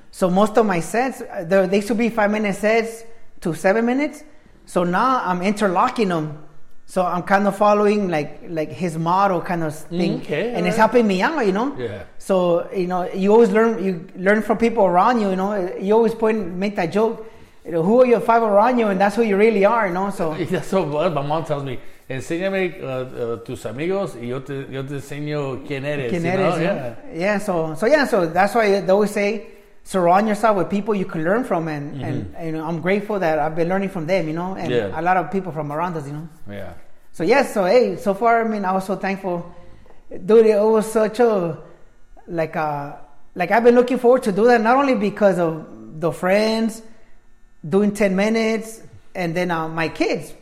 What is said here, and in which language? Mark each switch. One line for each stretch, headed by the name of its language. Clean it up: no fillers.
English: So most of my sets, they used to be 5-minute sets to 7 minutes. So now I'm interlocking them, So I'm kind of following like his model kind of thing. Okay, and right. It's helping me out, you know? Yeah. So, you know, you always learn from people around you, you know? You always make that joke, you know, who are your five around you? And that's who you really are, you know? So that's what my mom tells me.
Spanish: Enséñame tus amigos y yo te enseño quién eres. Quién eres,
English: you know? Yeah. Yeah, so that's why they always say, surround yourself with people you can learn from, and mm-hmm. and you know, I'm grateful that I've been learning from them, you know, and yeah. a lot of people from around us, you know. Yeah. So yes, so hey, so far, I mean, I was so thankful, dude. It was such a like I've been looking forward to do that, not only because of the friends doing 10 minutes, and then my kids.